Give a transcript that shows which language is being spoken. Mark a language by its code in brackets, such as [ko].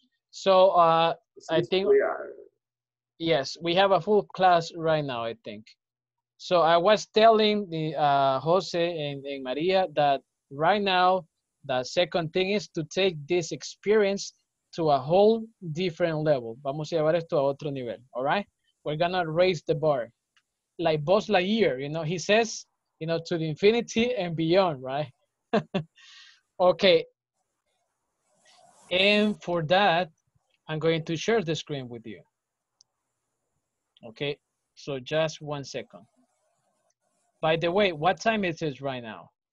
[en] So we have a full class right now, I think. So I was telling the Jose and Maria that right now the second thing is to take this experience to a whole different level. [es] Vamos a llevar esto a otro nivel, [en] all right? We're gonna raise the bar. Like Buzz Lightyear, you know, he says, you know, to the infinity and beyond, right? Okay. And for that, I'm going to share the screen with you. Okay, so just 1 second. By the way, what time is it right now?